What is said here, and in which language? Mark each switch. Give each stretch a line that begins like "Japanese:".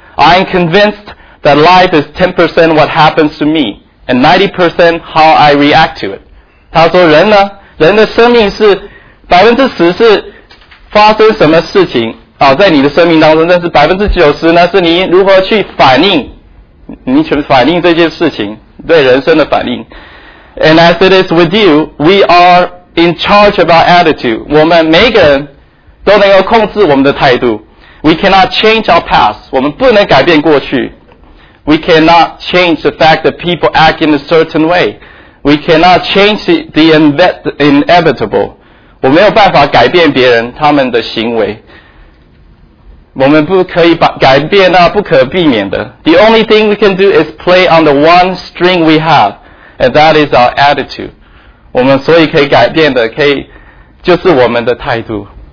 English: I am convinced that life is 10% what happens to me and 90% how I react to it。
Chinese: 他说人呢，人的生命是 10% 是发生什么事情好，在你的生命当中，但是 90% 呢是你如何去反应，你去反应这件事情，对人生的反应。
English: And as it is with you, we are in charge of our attitude。
Chinese: 我们每个人都能够控制我们的态度。
English: We cannot change our past，
Chinese: 我们不能改变过去。
English: We cannot change the fact that people act in a certain way。 We cannot change the inevitable，
Chinese: 我没有办法改变别人他们的行为，我们不可以改变那不可避免的。
English: The only thing we can do is play on the one string we have, and that is our attitude。
Chinese: 我们所以可以改变的可以就是我们的态度。